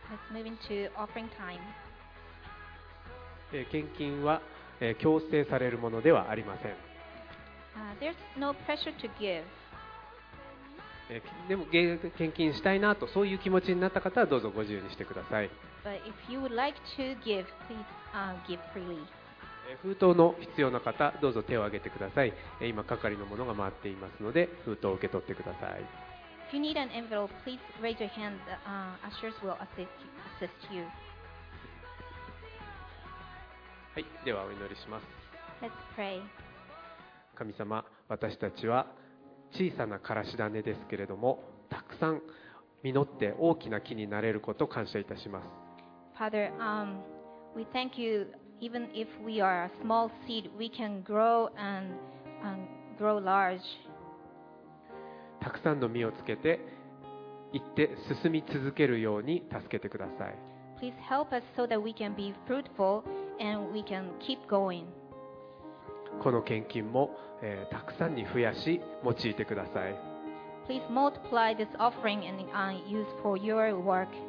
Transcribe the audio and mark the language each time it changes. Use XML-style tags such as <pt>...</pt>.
<en>Let's move into offering time.</en> <ja>献金は、強制されるものではありません。</ja> <en>There's no pressure to give.</en> <ja>でも献金したいなとそういう気持ちになった方はどうぞご自由にしてください。</ja> <en>But if you would like to give, please, give freely.</en> <ja>封筒の必要な方どうぞ手を挙げてください。今係のものが回っていますので封筒を受け取ってください。</ja> <en>If you need an envelope, please raise your hand. The ushers will assist you.</en> <ja>はい、ではお祈りします。</ja> <en>Let's pray.</en> <ja>神様、私たちは小さなからし種ですけれども、たくさん実って大きな木になれることを感謝いたします。</ja> <en>Father, we thank you. Even if we are a small seed, we can grow and grow large.</en> <ja>たくさんの実をつけて行って進み続けるように助けてください。</ja> <en>Please help us so that we can be fruitful and we can keep going.</en> <ja>この献金も、たくさんに増やし用いてください。</ja> <en>Please multiply this offering and use for your work.</en>